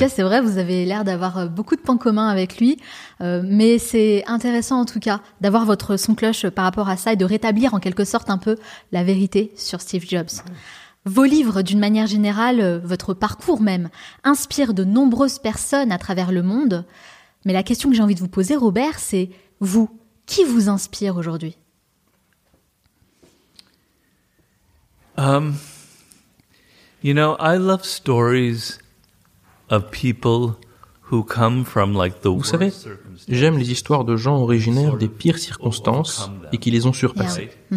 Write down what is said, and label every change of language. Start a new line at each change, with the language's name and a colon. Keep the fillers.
French: cas, c'est vrai, vous avez l'air d'avoir euh, beaucoup de points communs avec lui. Euh, mais c'est intéressant, en tout cas, d'avoir votre son cloche par rapport à ça et de rétablir en quelque sorte un peu la vérité sur Steve Jobs. Vos livres, d'une manière générale, euh, votre parcours même, inspirent de nombreuses personnes à travers le monde. Mais la question que j'ai envie de vous poser, Robert, c'est vous, qui vous inspire aujourd'hui
English: Um, you know, I love stories of people who come from like the
French: Vous savez, j'aime les histoires de gens originaires des pires circonstances et qui les ont surpassées.